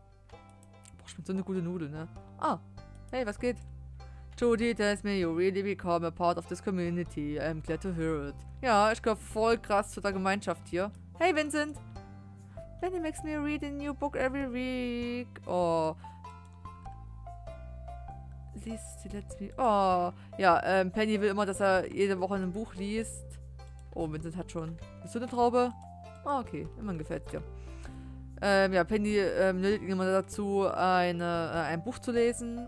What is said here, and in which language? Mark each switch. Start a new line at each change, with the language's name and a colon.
German: Boah, ich bin so eine gute Nudel, ne? Ah, hey, was geht?
English: Judy tells me you really become a part of this community. I'm glad to hear it.
German: Ja, ich gehöre voll krass zu der Gemeinschaft hier. Hey, Vincent.
English: Benny makes me read a new book every week. Oh.
German: Liest sie letztlich. Oh, ja, Penny will immer, dass er jede Woche ein Buch liest. Oh, Vincent hat schon. Bist du eine Traube? Ah, okay. Immerhin gefällt dir. Ja, Penny nötigt ihn immer dazu, ein Buch zu lesen.